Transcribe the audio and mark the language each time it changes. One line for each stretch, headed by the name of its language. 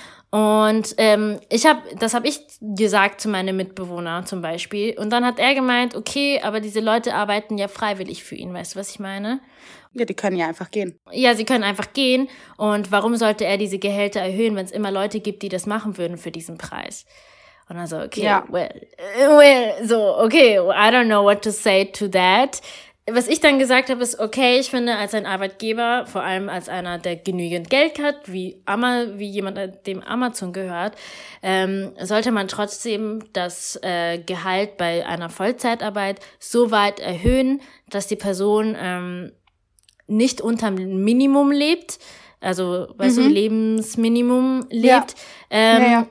German: Und das habe ich gesagt zu meinem Mitbewohner zum Beispiel. Und dann hat er gemeint, okay, aber diese Leute arbeiten ja freiwillig für ihn, weißt du, was ich meine? Ja, die können ja einfach gehen. Ja, sie können einfach gehen. Und warum sollte er diese Gehälter erhöhen, wenn es immer Leute gibt, die das machen würden für diesen Preis? Und also, okay, ja.
English: I don't know what to say to that.
German: Was ich dann gesagt habe, ist, okay, ich finde, als ein Arbeitgeber, vor allem als einer, der genügend Geld hat, wie jemand, dem Amazon gehört, sollte man trotzdem das Gehalt bei einer Vollzeitarbeit so weit erhöhen, dass die Person nicht unterm Minimum lebt, also, weißt du, Lebensminimum lebt. Ja.